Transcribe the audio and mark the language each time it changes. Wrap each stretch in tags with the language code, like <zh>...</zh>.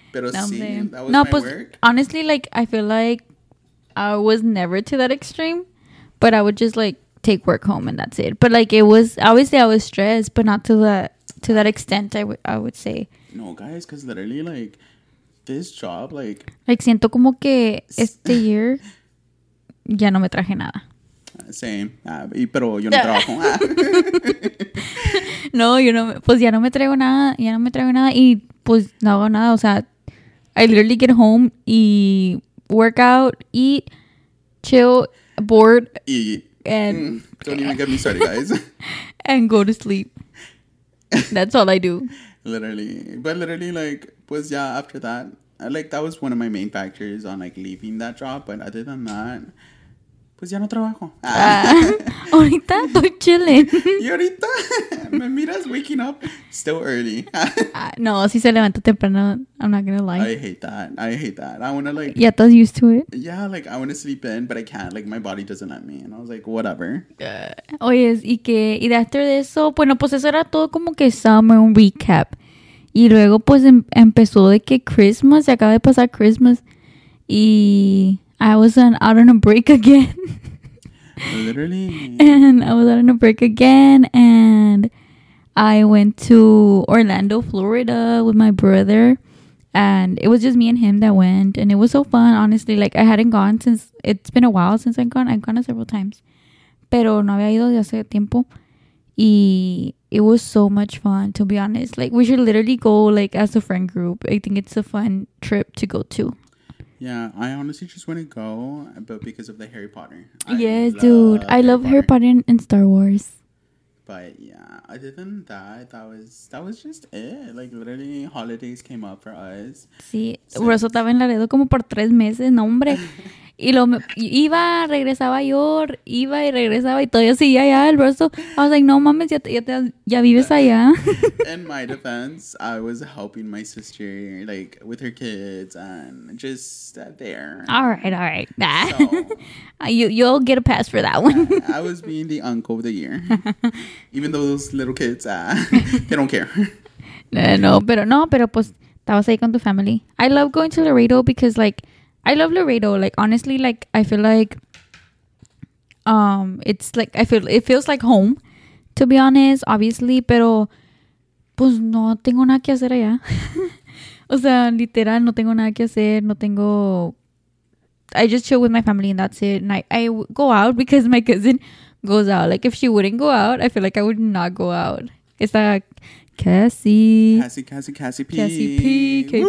<es>Pero sí,</es> <en>that was no, my pues, work. Honestly, like, I feel like I was never to that extreme, but I would just, like, take work home, and that's it. But, like, it was, obviously, I was stressed, but not to that extent, I would say. No, guys, because literally, like, this job, like,</en> <es>siento como que este year... Ya no me traje nada.</es> <en>Same.</en> <es>Pero yo no trabajo. No, yo no, pues ya no me traigo nada, ya no me traigo nada y pues no hago nada.</es> <en>O sea, I literally get home y work out, eat, chill, bored. Y, and don't even get me started, guys. And go to sleep. That's all I do. Literally. But literally, like, pues yeah, after that, like, that was one of my main factors on, like, leaving that job. But other than that,</en> <es>pues ya no trabajo. Ahorita estoy chilling. Y ahorita me miras</es> <en>waking up still early.</en> <es>No, si se levanta temprano,</es> <en>I'm not gonna lie. I hate that. I wanna, like...</en> <es>Ya estás</es> <en>used to it. Yeah, like, I wanna sleep in, but I can't. Like, my body doesn't let me. And I was like, whatever.</en> <es>Oye, y que... Y después de eso, bueno, pues eso era todo como que summer, un recap. Y luego, pues, empezó de que Christmas, se acaba de pasar Christmas.</es> <en>Y... I was out on a break again. Literally. And I was out on a break again. And I went to Orlando, Florida with my brother. And it was just me and him that went. And it was so fun, honestly. Like, I hadn't gone since... It's been a while since I've gone. I've gone several times.</en> <es>Pero no había ido de hace tiempo.</es> <en>Y it was so much fun, to be honest. Like, we should literally go, like, as a friend group. I think it's a fun trip to go to. Yeah, I honestly just want to go, but because of the Harry Potter. Yeah, dude. I love Harry Potter and Star Wars. But yeah, other than that, that was just it. Like, literally, holidays came up for us.</en> <es>Sí, Russell estaba en Laredo como por 3 meses, no hombre. Y lo iba, regresaba yo, iba y regresaba y todavía seguía allá el resto.</es> <en>I was like,</en> <es>no mames, ya vives allá.</es> <en>In my defense, I was helping my sister, like, with her kids and just there. All right. Nah. So, you'll get a pass for that one. I was being the uncle of the year. Even though those little kids, they don't care.</en> <es>No, pero pues, estabas ahí con tu family.</es> <en>I love going to Laredo because, like, I love Laredo. Like, honestly, like, I feel like it's like, I feel it feels like home, to be honest, obviously,</en> <es>pero pues no tengo nada que hacer allá. O sea, literal, no tengo nada que hacer. No tengo.</es> <en>I just chill with my family and that's it. And I go out because my cousin goes out. Like, if she wouldn't go out, I feel like I would not go out. It's like Cassie P.</en>